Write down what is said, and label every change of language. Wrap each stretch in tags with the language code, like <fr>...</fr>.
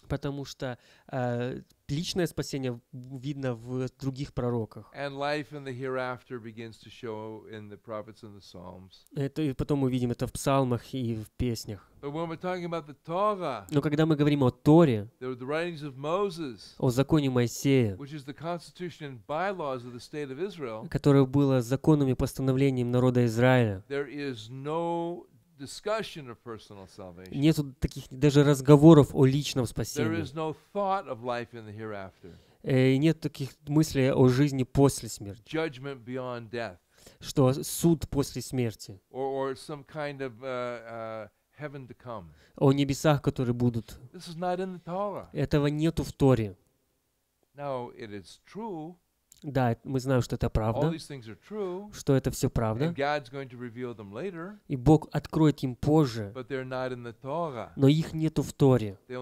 <ru>Потому что личное спасение видно в других пророках.</ru> <en>And life in the hereafter begins to show in the prophets and the psalms.</en> <ru>Это, и потом мы видим это в псалмах и в песнях.</ru> <en>But when we're talking about the Torah,</en> <ru>но когда мы говорим о Торе,</ru> <en>the writings of Moses,</en> <ru>о законе Моисея,</ru> <en>which is the constitution and bylaws of the state of Israel,</en> <ru>которое было законом и постановлением народа Израиля,</ru> <en>there is no discussion of personal salvation.</en> <ru>Нет таких даже разговоров о личном спасении.</ru> <en>There is no thought of life in the hereafter.</en> <ru>И нет таких мыслей о жизни после смерти.</ru> <en>Judgment beyond death.</en> <ru>Что суд после смерти.</ru> <en>Or some kind of heaven to come.</en> <ru>О небесах, которые будут.</ru> <en>This is not in the Torah.</en> <ru>Этого нету в Торе.</ru> <en>Now it is true.</en> <ru>Да, мы знаем, что это правда,</ru> <en>true,</en> <ru>что это все правда,</ru> <en>later,</en> <ru>и Бог откроет им позже, но их нету в Торе.</ru>